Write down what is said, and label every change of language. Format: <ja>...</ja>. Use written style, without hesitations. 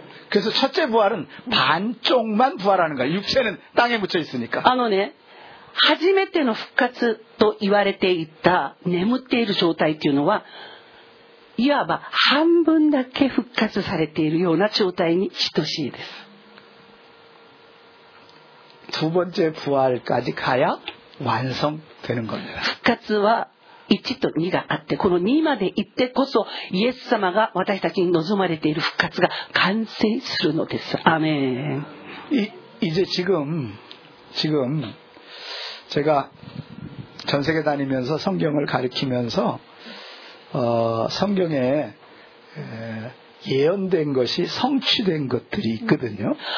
<ko>그래서첫째부활은반쪽만부활하는거예요육체는땅에묻혀있으니까</ko> <ja>あのね初めての復活と言われていた眠っている状態というのはいわば半分だけ復活されているような状態に等しいです</ja> <ko>두번째부활까지가야완성되는겁니다</ko> <ja>復活は1と2があってこの2まで行ってこそイエス様が私たちに望まれている復活が完成するのです아멘</ja> <ko>이제지금제가전세계다니면서성경을가르치면서성경에예언된것이성취된것들이있거든요</ko>